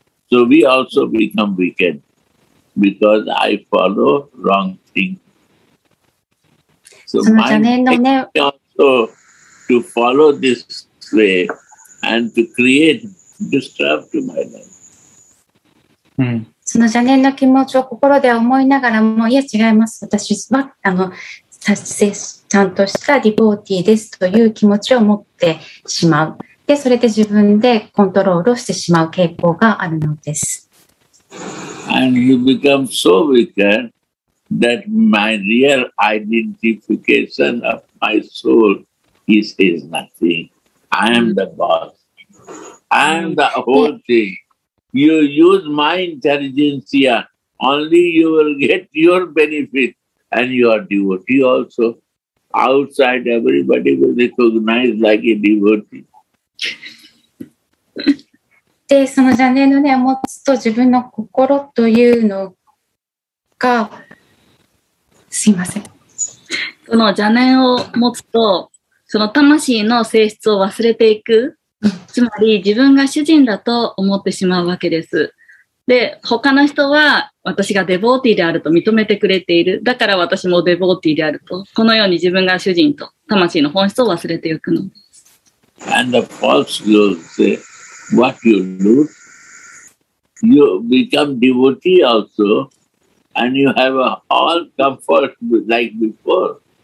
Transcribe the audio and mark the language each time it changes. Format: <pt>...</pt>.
<en>So we also become wicked because I follow wrong thing. So my intention also to follow this way and to create disturb to my life.</en> <ja>その邪念の気持ちを心で思いながらも、いや違います。私は、ちゃんとしたディボーティーですという気持ちを持ってしまう。で、それで自分でコントロールしてしまう傾向があるのです。</ja> <en>And you become so wicked that my real identification of my soul is nothing. I am the boss. I am the whole thing. You use my intelligentsia, only you will get your benefit and your devotee also. Outside, everybody will recognize like a devotee.</en> <ja>で、その邪念の念を持つと自分の心というのが、すいません。その邪念を持つと、その魂の性質を忘れていく。つまり自分が主人だと思ってしまうわけです。で、他の人は私がデボーティーであると認めてくれている。だから私もデボーティーであると。このように自分が主人と魂の本質を忘れていくのです。</ja> <en>And the false girls say, what you lose? You become devotee also, and you have all comfort like before.</en>